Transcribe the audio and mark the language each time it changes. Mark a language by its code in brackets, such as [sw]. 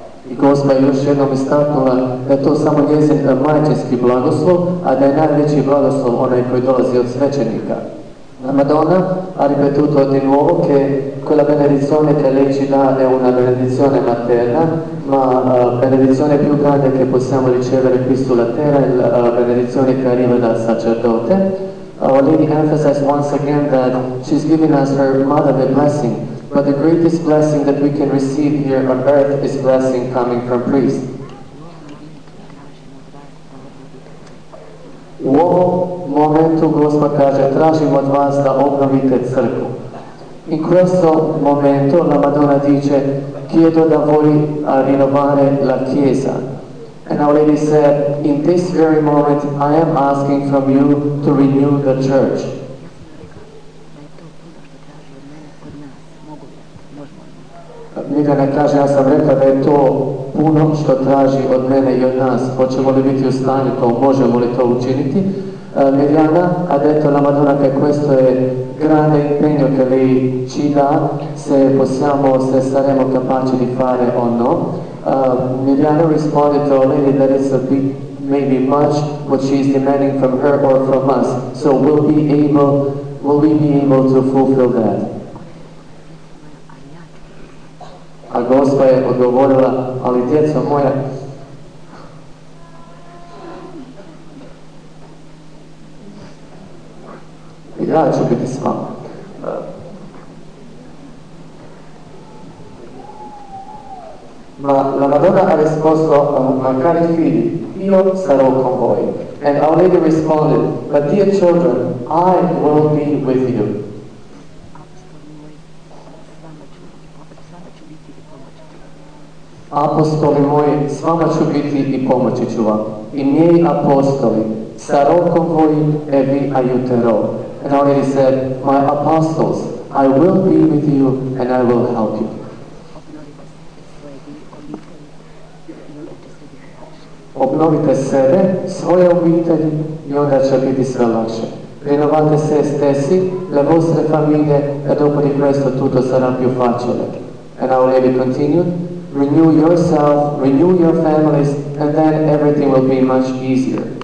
[hr] I Gospa još jednom istaknula da je to samo njezin majčinski blagoslov, a da je najveći blagoslov onaj koji dolazi od svećenika. [it] La Madonna ha ripetuto di nuovo che quella benedizione che lei ci dà è una benedizione materna, ma la benedizione più grande che possiamo ricevere qui sulla terra è la benedizione che arriva dal sacerdote. [en] Our Lady emphasized once again that she's giving us her mother the blessing, but the greatest blessing that we can receive here on earth is blessing coming from priests. [hr] U ovom momentu Gospa kaže, tražim od vas da obnovite crkvu. [it] In questo momento la Madonna dice, chiedo da voi a rinnovare la Chiesa. [en] And Our Lady said, in this very moment I am asking from you to renew the church. [hr] Mirjana kaže, ja sam rekla da je to puno što traži od mene i od nas. Hoćemo li biti u stanju to, možemo li to učiniti? [it] Mirjana ha detto la Madonna che questo è grande impegno che lei ci dà, se possiamo, se saremo capaci di fare o no. [en] Mirjana responded to Our Lady that it's a big, maybe much, what she is demanding from her or from us. So will we be able to fulfill that? [hr] A Gospa je odgovorila, ali djeca moja, ja ću biti s vama. [it] Ma la Madonna ha risposto, ma cari figli, io sarò con voi. [en] And Our Lady responded, but dear children, I will be with you. [hr] Apostoli moji, s vama ću biti i pomoći ću vam. I mjeji apostoli, sa rokom voji, e vi ajutero. [en] And Our Lady said, my apostles, I will be with you and I will help you. [hr] Obnovite sebe, svoje obitelji i onda će biti sve lakše. [it] Rinnovate se stessi, le vostre famiglie, e dopo di questo tutto sarà più facile. [en] And Our Lady continued, renew yourself, renew your families, and then everything will be much easier.